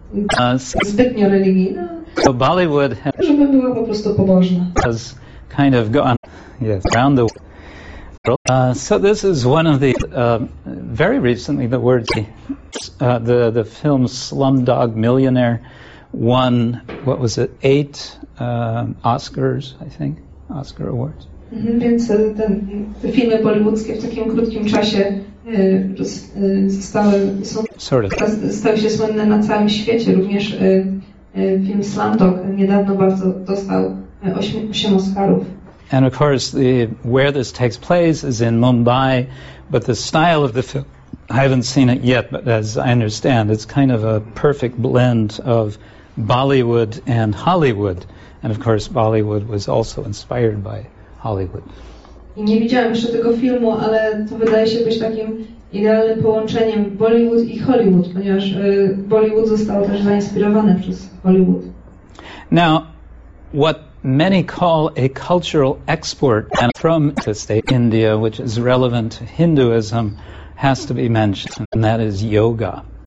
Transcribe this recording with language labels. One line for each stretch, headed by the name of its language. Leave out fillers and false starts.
English: So Bollywood has kind of gone, yes, around the world. So this is one of the very recently the words the film Slumdog Millionaire won what was it 8 Oscars I think Oscar awards.
Polish: Mm-hmm, więc te filmy bollywoodzkie w takim krótkim czasie stały się słynne na całym świecie. Również film Slumdog niedawno bardzo dostał 8 Oscarów.
English: And of course, where this takes place is in Mumbai, but the style of the film, I haven't seen it yet, but as I understand, it's kind of a perfect blend of Bollywood and Hollywood. And of course, Bollywood was also inspired by Hollywood.
Polish: Nie widziałem jeszcze tego filmu, ale to wydaje się być takim idealnym połączeniem Bollywood i Hollywood, ponieważ Bollywood został też zainspirowany przez Hollywood.
English: Now, what many call a cultural export and from the state India, which is relevant to Hinduism, has to be mentioned, and that is yoga.